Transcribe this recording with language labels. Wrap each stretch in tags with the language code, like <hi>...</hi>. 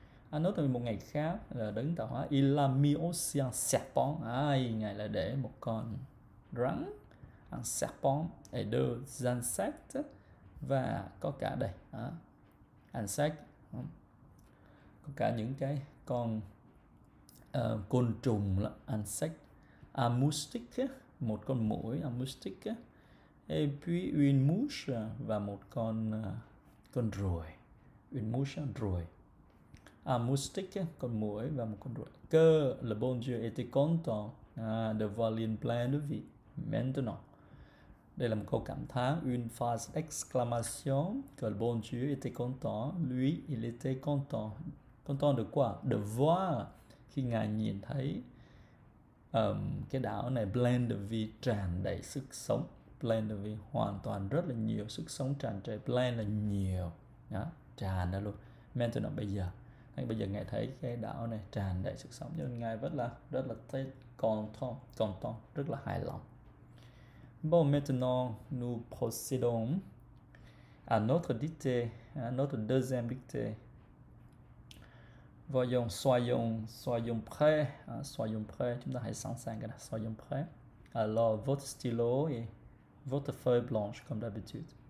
<vi>Anh nói từ một ngày khác là đấng tạo hóa</vi> <fr>il a mis aussi un serpent,</fr> <vi>ngài là để một con rắn,</vi> <fr>un serpent, et deux insectes,</fr> <vi>và có cả đây insect, có cả những cái con côn trùng là insect,</vi> <fr>a moustique,</fr> <vi>một con muỗi,</vi> <fr>a moustique, et puis une mouche,</fr> <vi>và một con ruồi,</vi> <fr>une mouche,</fr> <vi>ruồi. À, moustique, con muỗi và một con ruồi.</vi> <fr>Que le bon Dieu était content de voir l'île pleine de vie. Maintenant. Et l'amour comme temps, une phrase d'exclamation, que le bon Dieu était content, lui, il était content. Content de quoi? De voir qui gagne,</fr> <vi>thấy cái đảo này</vi> <fr>plein de vie,</fr> <vi>tràn đầy sức sống,</vi> <fr>plein de vie,</fr> <vi>hoàn toàn rất là nhiều sức sống tràn trề, plein là nhiều, đó, tràn ra luôn. Maintenant, bây giờ, anh bây giờ nghe thấy cái đảo này tràn đầy sức sống, nên ngài rất là thấy content, rất là hài lòng.</vi> <fr>Bon, maintenant, nous procédons à notre dictée, à notre deuxième dictée. Voyons, soyons prêts, hein, soyons prêts,</fr> <vi>chúng ta hãy sẵn sàng, là,</vi> <fr>soyons prêts. Alors, votre stylo et votre feuille blanche, comme d'habitude.</fr>